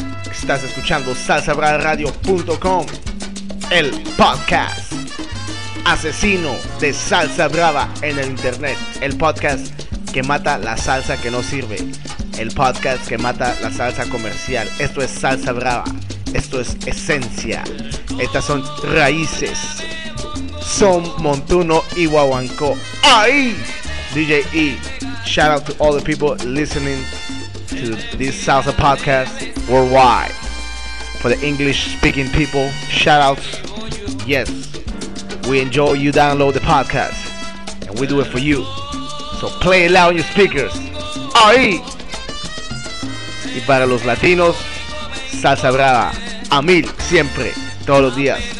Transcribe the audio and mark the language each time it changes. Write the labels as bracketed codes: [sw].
[es] Estás escuchando salsabravaradio.com, el podcast asesino de Salsa Brava en el internet, el podcast que mata la salsa que no sirve, el podcast que mata la salsa comercial. Esto es Salsa Brava, esto es esencia, estas son raíces, son Montuno y Huahuancó. ¡Ay! [en] DJ E, shout out to all the people listening to this salsa podcast worldwide. For the English speaking people, shout outs. Yes, we enjoy you download the podcast and we do it for you. So play it loud on your speakers. [es] Ahí. Y para los latinos, Salsa Brava a mil siempre, todos los días.